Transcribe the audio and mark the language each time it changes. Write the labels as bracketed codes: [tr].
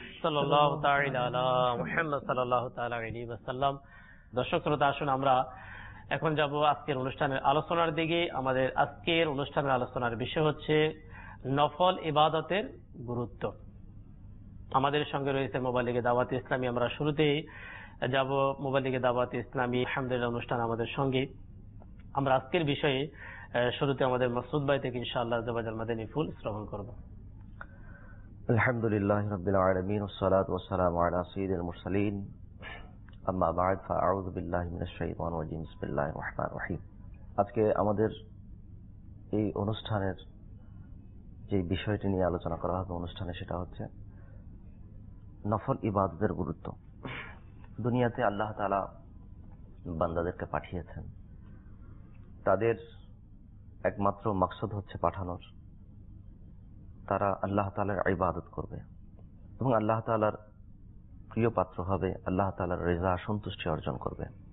[ar] صلی اللہ تعالی علی محمد صلی اللہ تعالی علیہ وسلم. [bn] দর্শক শ্রোতা আসুন আমরা এখন যাব আজকের অনুষ্ঠানের আলোচনার দিকে. আমাদের আজকের অনুষ্ঠানের আলোচনার বিষয় হচ্ছে নফল ইবাদতের গুরুত্ব. আমাদের সঙ্গে রয়েছে মোবাইলিগে দাওয়াতে ইসলামী. আমরা শুরুতেই যাব মোবাইলিগে দাওয়াতে ইসলামী আলহামদুলিল্লাহ অনুষ্ঠান আমাদের সঙ্গে. আমরা আজকের বিষয়ে শুরুতে আমাদের মাসুদ ভাই থেকে ইনশাআল্লাহ জবাজাল মাদানি ফুল শ্রবণ করব. [ar] আলহামদুলিল্লাহ রাব্বিল আলামিন والصلاه والسلام على سيد المرسلين اما بعد فاعوذ بالله من الشيطان الرجيم بسم الله الرحمن الرحيم. [bn] আজকে আমাদের এই অনুষ্ঠানের যে বিষয়টি নিয়ে আলোচনা করা হবে অনুষ্ঠানে সেটা হচ্ছে নফল ইবাদতের গুরুত্ব. দুনিয়াতে আল্লাহ তাআলা বান্দাদেরকে পাঠিয়েছেন, তাদের একমাত্র মকসদ হচ্ছে পাঠানোর, তারা আল্লাহ তাআলার ইবাদত করবে এবং আল্লাহ তাআলার প্রিয় পাত্র হবে, আল্লাহ তাআলার রেজা সন্তুষ্টি অর্জন করবে.